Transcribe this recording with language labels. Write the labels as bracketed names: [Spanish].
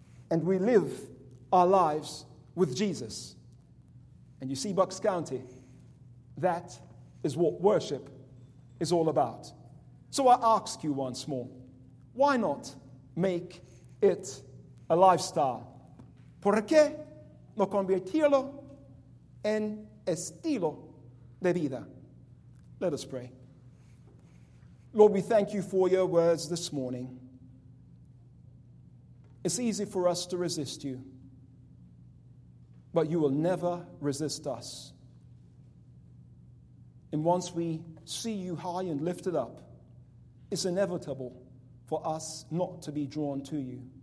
[English] And we live our lives with Jesus. And you see, Bucks County, that is what worship is all about. So I ask you once more, why not make it a lifestyle? [Spanish] ¿Por qué no convertirlo en estilo de vida? [English] Let us pray. Lord, we thank you for your words this morning. It's easy for us to resist you, but you will never resist us. And once we see you high and lifted up, it's inevitable for us not to be drawn to you.